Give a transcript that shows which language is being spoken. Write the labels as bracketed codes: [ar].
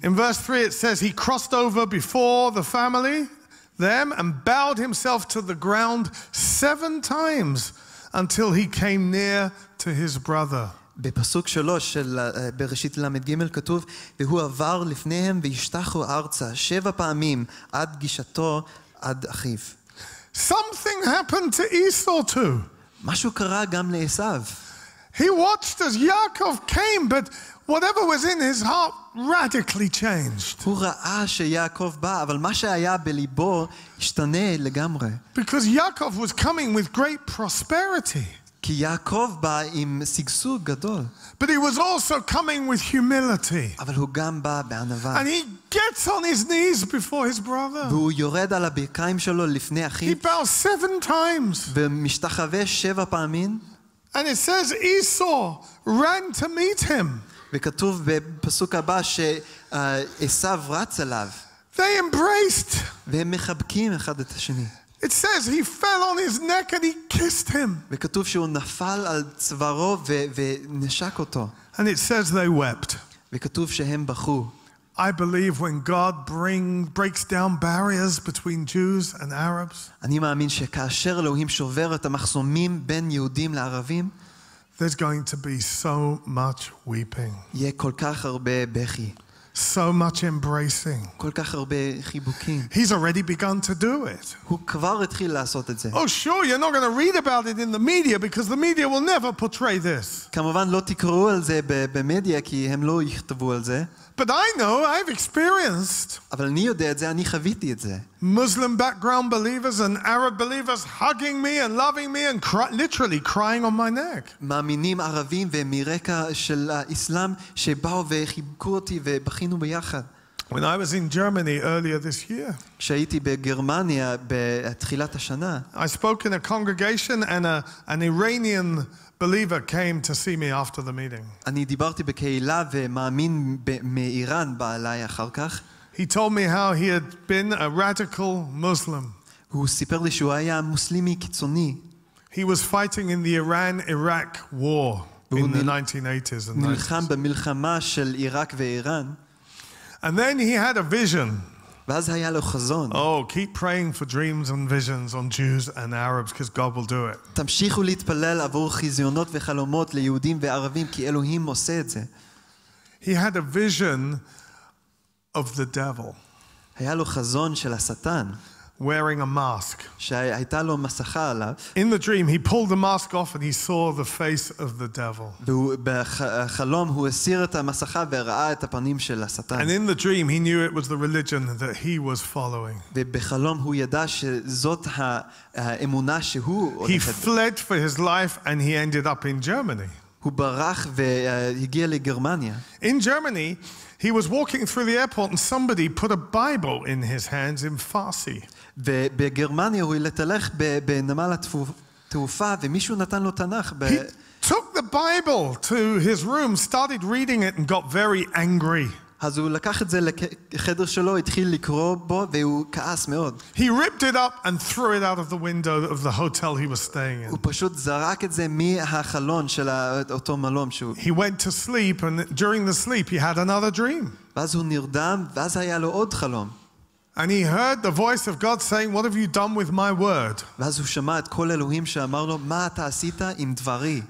[en] In verse 3 it says he crossed over before the family them and bowed himself to the ground 7 times until he came near to his brother. [he] בפסוק 3 של בראשית ל"ג כתוב, והוא עבר לפניהם והשתחו ארצה 7 פעמים עד גישתו עד אחיו. [en] Something happened to Esau too. [he] משהו קרה גם לעשיו. [en] He watched as Yaakov came, but whatever was in his heart radically changed. [he] הוא ראה שיעקב בא, אבל מה שהיה בליבו השתנה לגמרי. [en] Because Yaakov was coming with great prosperity. [he] כי יעקב בא עם שגשוג גדול. [en] But he was also coming with humility. [he] אבל הוא גם בא בענווה. [en] And he gets on his knees before his brother. [he] והוא יורד על הברכיים שלו לפני אחיו. [en] He bows 7 times. [he] ומשתחווה 7 פעמים. [en] And it says Esau ran to meet him. [he] וכתוב בפסוק הבא שעשיו רץ אליו. [en] They embraced. [he] והם מחבקים אחד את השני. [en] It says he fell on his neck and he kissed him. [he] וכתוב שהוא נפל על צווארו ונשק אותו. [en] And it says they wept. [he] וכתוב שהם בכו. [en] I believe when God breaks down barriers between Jews and Arabs. [he] אני מאמין שכאשר אלוהים שובר את המחסומים בין יהודים לערבים, [en] there's going to be so much weeping. [he] יהיה כל כך הרבה בכי. [en] So much embracing. [he] כל כך הרבה חיבוקים. [en] He's already begun to do it. [he] הוא כבר התחיל לעשות את זה. [en] Oh sure, you're not going to read about it in the media because the media will never portray this. [he] כמובן לא תקראו על זה במדיה כי הם לא יכתבו על זה. [en] But I know, I've experienced. [he] אבל אני יודע את זה, אני חוויתי את זה. [en] Muslim background believers and Arab believers hugging me and loving me and literally crying on my neck. [he] מאמינים ערבים ומרקע של האסלאם שבאו וחיבקו אותי ובכינו ביחד. [en] When I was in Germany earlier this year, [he] כשהייתי בגרמניה בתחילת השנה, [en] I spoke in a congregation and an Iranian believer came to see me after the meeting. [he] אני דיברתי בקהילה ומאמין מאיראן בא אליי אחר כך. [en] He told me how he had been a radical Muslim. [he] הוא סיפר לי שהוא היה מוסלמי קיצוני. [en] He was fighting in the Iran-Iraq war in the 1980s and 90s. [he] נלחם במלחמה של עיראק ואיראן. [en] And then he had a vision. [he] ואז היה לו חזון. [en] Oh, keep praying for dreams and visions on Jews and Arabs because God will do it. [he] תמשיכו להתפלל עבור חזיונות וחלומות ליהודים וערבים כי אלוהים עושה את זה. [en] He had a vision of the devil. [he] היה לו חזון של השטן. [en] Wearing a mask. [he] שהייתה לו מסכה עליו. [en] In the dream he pulled the mask off and he saw the face of the devil. [he] בחלום הוא הסיר את המסכה וראה את הפנים של השטן. [en] And in the dream he knew it was the religion that he was following. [he] ובחלום הוא ידע שזאת האמונה שהוא הולך. [en] He fled for his life and he ended up in Germany. [he] הוא ברח והגיע לגרמניה. [en] In Germany he was walking through the airport and somebody put a Bible in his hands in Farsi. [he] ובגרמניה הוא התהלך בנמל התעופה ומישהו נתן לו תנ"ך. [en] He took the Bible to his room, started reading it and got very angry. [he] אז הוא לקח את זה לחדר שלו, התחיל לקרוא בו והוא כעס מאוד. [en] He ripped it up and threw it out of the window of the hotel he was staying in. [he] הוא פשוט זרק את זה מהחלון של אותו מלון שהוא. [en] He went to sleep and during the sleep he had another dream. [he] ואז הוא נרדם ואז היה לו עוד חלום. [en] And he heard the voice of God saying, "What have you done with my word?" [he] ואז הוא שמע את קול אלוהים שאמר לו, "מה אתה עשית עם דברי?"